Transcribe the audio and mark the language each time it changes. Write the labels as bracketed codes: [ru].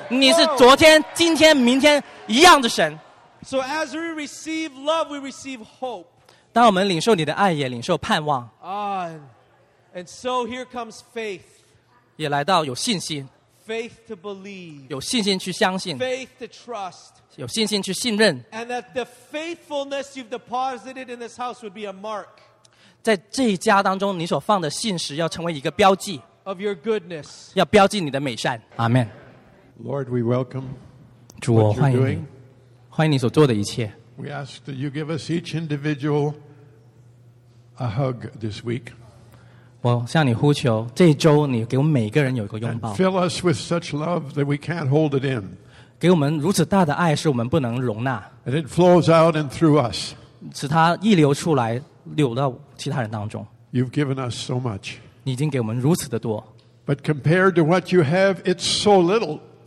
[zh] 你是昨天、今天、明天一样的神。 [en] So as we receive love, we receive hope. [zh] 当我们领受你的爱，也领受盼望。 [en] And so here comes faith. [zh] 也来到有信心。 [en] Faith to believe. [zh] 有信心去相信。 [en] Faith to trust. [zh] 有信心去信任。 [en] And that the faithfulness you've deposited in this house would be a mark. [zh] 在这一家当中，你所放的信实要成为一个标记。 [en] Of your goodness. [zh] 要标记你的美善。Amen. [en] Lord, we welcome [zh] 主我, [en] what you're doing. [zh] 欢迎你所做的一切。 [en] We ask that you give us each individual a hug this week. [zh] 我向你呼求, 这一周你给我们每个人有一个拥抱。 [en] And fill us with such love that we can't hold it in. [zh] 给我们如此大的爱, 使我们不能容纳。 [en] And it flows out and through us. [zh] 使它溢流出来, 流到其他人当中。 [en] You've given us so much. [zh] 你已经给我们如此的多, [en] but compared to what you have, it's so little.